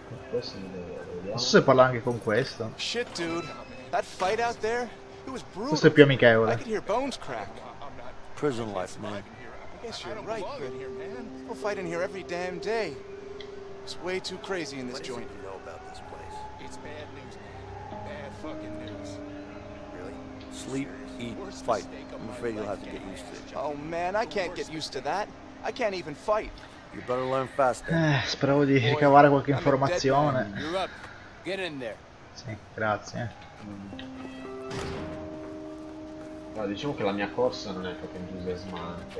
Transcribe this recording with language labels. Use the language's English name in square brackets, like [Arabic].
[Italian] Non so se parla anche con questo. [English] Shit, dude. That fight out there, it was brutal. [Italian] Questo è più amichevole. [English] I could hear bones crack. Prison life, man. I guess you're right, man. We'll fight in here every damn day. It's way too crazy in this joint. What do you know about this place? It's bad news, man. Bad fucking news. Really? Sleep, eat, fight. I'm afraid you'll have to get used to it. Oh, man, I can't get used to that. I can't even fight. You better learn fast. [Italian] Speravo di ricavare qualche informazione. [English] You're up. Get in there. [Italian] Sì, grazie. Allora, diciamo che la mia corsa non è proprio entusiasmante.